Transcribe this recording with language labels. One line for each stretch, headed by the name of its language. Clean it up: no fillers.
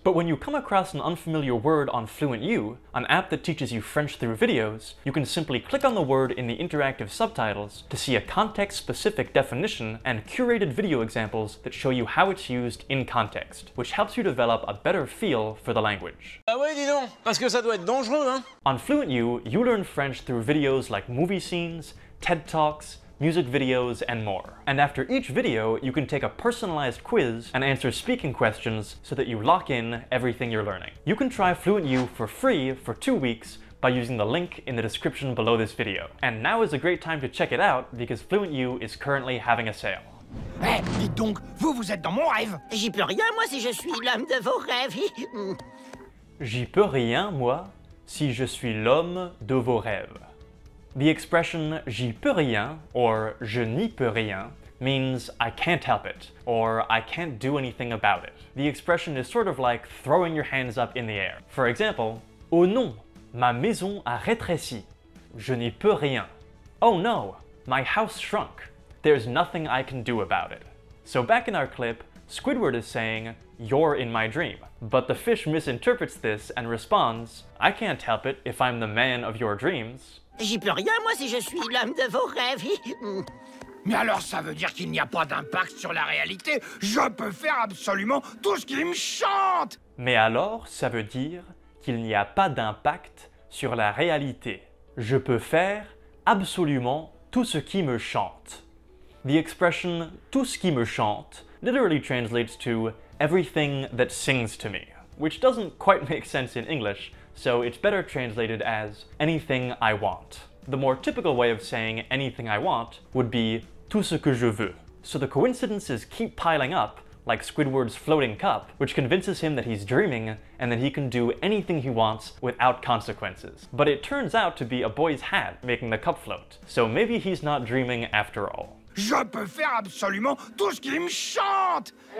English: But when you come across an unfamiliar word on FluentU, an app that teaches you French through videos, you can simply click on the word in the interactive subtitles to see a context-specific definition and curated video examples that show you how it's used in context, which helps you develop a better feel for the language.
French: Ah ouais, dis donc, parce que ça doit être dangereux, hein?
English: On FluentU, you learn French through videos like movie scenes, TED Talks, music videos, and more. And after each video, you can take a personalized quiz and answer speaking questions so that you lock in everything you're learning. You can try FluentU for free for 2 weeks by using the link in the description below this video. And now is a great time to check it out because FluentU is currently having a sale.
French: Hey, dites donc, vous êtes dans mon rêve! J'y peux rien, moi, si je suis l'homme de vos rêves! J'y peux rien, moi, si je suis l'homme de vos rêves.
English: The expression
French: j'y peux rien
English: or
French: je n'y peux rien
English: means I can't help it or I can't do anything about it. The expression is sort of like throwing your hands up in the air. For example,
French: oh non, ma maison a rétréci. Je n'y peux rien.
English: Oh no, my house shrunk. There's nothing I can do about it. So back in our clip, Squidward is saying, you're in my dream. But the fish misinterprets this and responds, I can't help it if I'm the man of your dreams.
French: J'y peux rien, moi, si je suis l'homme de vos rêves. Mais alors ça veut dire qu'il n'y a pas d'impact sur la réalité. Je peux faire absolument tout ce qui me chante. Mais alors ça veut dire qu'il n'y a pas d'impact sur la réalité. Je peux faire absolument tout ce qui me chante.
English: The expression
French: tout ce qui me chante
English: literally translates to everything that sings to me, which doesn't quite make sense in English, so it's better translated as anything I want. The more typical way of saying anything I want would be
French: tout ce que je veux.
English: So the coincidences keep piling up, like Squidward's floating cup, which convinces him that he's dreaming and that he can do anything he wants without consequences. But it turns out to be a boy's hat making the cup float, so maybe he's not dreaming after all.
French: Je peux faire absolument tout ce qui me chante!